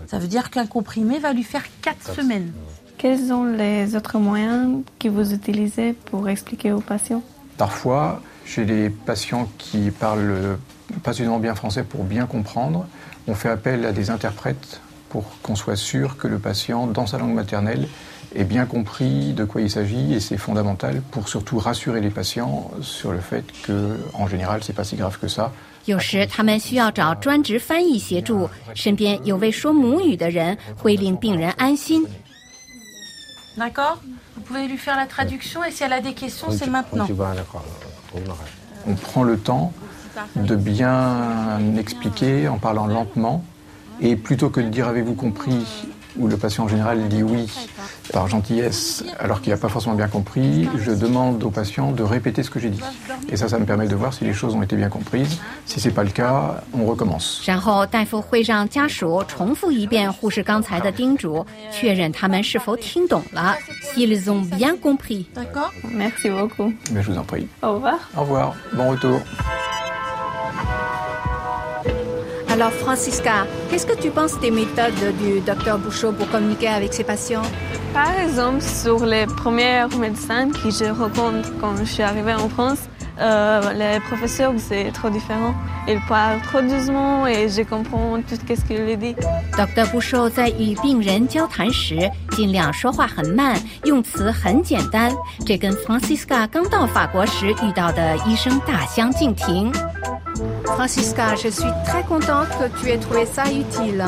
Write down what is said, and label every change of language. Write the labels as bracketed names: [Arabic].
[French] Ça veut dire qu'un comprimé va lui faire 4 semaines. Quels sont les autres moyens que vous utilisez pour expliquer aux patients? Parfois, chez les patients qui parlent pas seulement bien français pour bien comprendre, on fait appel à des interprètes pour qu'on soit sûr que le patient, dans sa langue maternelle, ait bien compris de quoi il s'agit et c'est fondamental pour surtout rassurer les patients sur le fait que, en général, c'est pas si grave que ça. [Chinese] 有时他们需要找专职翻译协助，身边有位说母语的人会令病人安心。 [French] D'accord. Vous pouvez lui faire la traduction et si elle a des questions, c'est maintenant. On prend le temps. De bien expliquer en parlant lentement. Et plutôt que de dire avez-vous compris, où le patient en général dit oui par gentillesse, alors qu'il n'a pas forcément bien compris, je demande au patient de répéter ce que j'ai dit. Et ça, ça me permet de voir si les choses ont été bien comprises. Si ce n'est pas le cas, on recommence. [Chinese] 然后大夫会让家属重复一遍护士刚才的叮嘱，确认他们是否听懂了。 [French] S'ils ont bien compris. D'accord. Merci beaucoup. Mais je vous en prie. Au revoir. Au revoir. Bon retour. Alors Francisca, qu'est-ce que tu penses des méthodes du Dr. Bushou pour communiquer avec ses patients? Par exemple, sur les premiers médecins que je rencontre quand je suis arrivée en France, les professeurs, c'est trop différent. Ils parlent trop doucement et je comprends tout ce qu'ils disent. Dr. [Chinese] Bushou 在与病人交谈时尽量说话很慢，用词很简单，这跟 Francisca 刚到法国时遇到的医生大相径庭。 [French] Francisca, je suis très contente que tu aies trouvé ça utile.